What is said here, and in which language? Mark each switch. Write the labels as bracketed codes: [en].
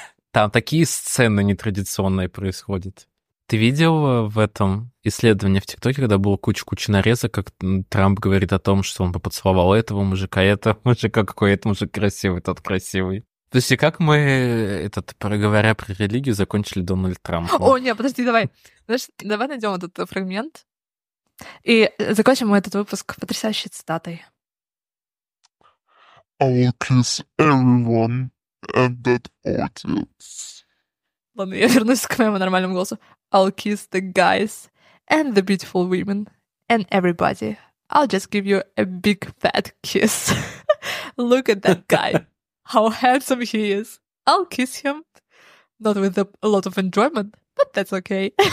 [ru] Там такие сцены нетрадиционные происходят. Ты видел в этом исследовании в ТикТоке, когда было куча-куча нарезок, как Трамп говорит о том, что он поцеловал этого мужика, этого мужика, какой этот мужик красивый, тот красивый. То есть, как мы, этот, говоря про религию, закончили Дональд Трамп? О, нет, подожди, давай. Знаешь, давай найдем этот фрагмент. И закончим мы этот выпуск потрясающей цитатой. [en] I will kiss everyone and that audience. [ru] Ладно, я вернусь к моему нормальному голосу. [en] I'll kiss the guys and the beautiful women and everybody. I'll just give you a big fat kiss. Look at that guy. How handsome he is. I'll kiss him. Not with a lot of enjoyment, but that's okay.